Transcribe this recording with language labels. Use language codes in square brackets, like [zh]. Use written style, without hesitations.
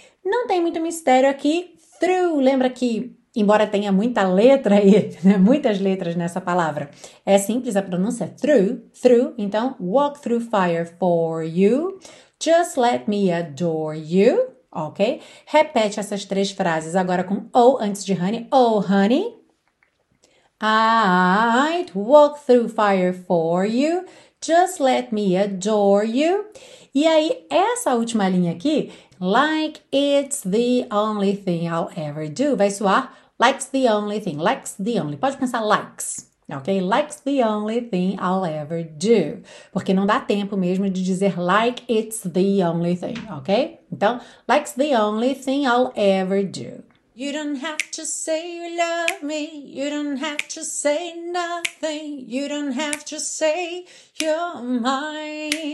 [pt] Não tem muito mistério aqui. Through, lembra que, embora tenha muita letra aí, né, muitas letras nessa palavra, é simples a pronúncia. [en] Through, through. Então, walk through fire for you. Just let me adore you. Ok? [pt] Repete essas três frases agora com oh antes de honey. [en] Oh, honey. I'd walk through fire for you. Just let me adore you. [pt] E aí, essa última linha aqui, [en] like it's the only thing I'll ever do, [pt] vai soar [en] like's the only thing, like's the only. [pt] Pode pensar likes, ok? [en] Like's the only thing I'll ever do. [pt] Porque não dá tempo mesmo de dizer [en] like it's the only thing, [pt] ok? [en] Então, like's the only thing I'll ever do. You don't have to say you love me. You don't have to say nothing. You don't have to say you're mine.